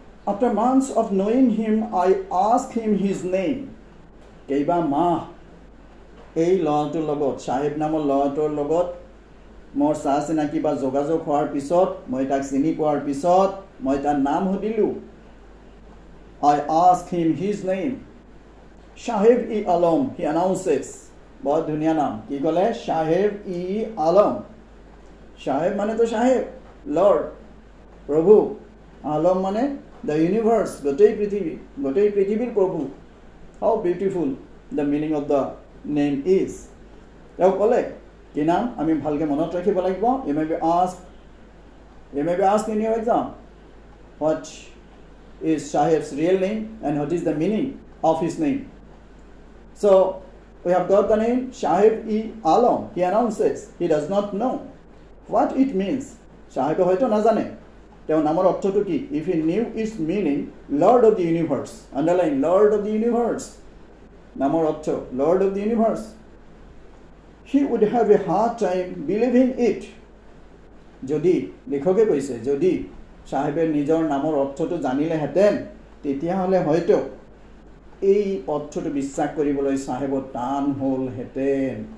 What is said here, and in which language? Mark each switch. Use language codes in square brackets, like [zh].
[en] After months of knowing him I ask him his name. [as] কেইবা মাহ এই ল'ৰাটোৰ লগত চাহেব নামৰ ল'ৰাটোৰ লগত মোৰ চা চিনাকি বা যোগাযোগ হোৱাৰ পিছত মই তাক চিনি পোৱাৰ পিছত মই তাৰ নাম সুধিলোঁ। [en] I ask him his name Sahib e Alam he announces. [as] বহুত ধুনীয়া নাম, কি ক'লে শাহেব ই আলম। শাহেব মানেতো শাহেব লৰ্ড প্ৰভু, আলম মানে দ্য ইউনিভাৰ্চ, গোটেই পৃথিৱী, গোটেই পৃথিৱীৰ প্ৰভু। [en] How beautiful the meaning of the name is. [as] তেওঁ ক'লে কি নাম আমি ভালকৈ মনত ৰাখিব লাগিব, [en] You may be ask in your exam what is Sahib's real name and what is the meaning of his name. So we have got the name Sahib e Alam, he announces he does not know what it means. [as] শাহেবে হয়তো নাজানে তেওঁ নামৰ অৰ্থটো কি। [en] if he knew his meaning lord of the universe, underline lord of the universe [as] নামৰ অৰ্থ [en] Lord of the universe, he would have a hard time believing it. [as] যদি লেখকে কৈছে যদি চাহেবে নিজৰ নামৰ অৰ্থটো জানিলেহেঁতেন তেতিয়াহ'লে হয়তো এই অৰ্থটো বিশ্বাস কৰিবলৈ চাহেবৰ টান হ'লহেঁতেন।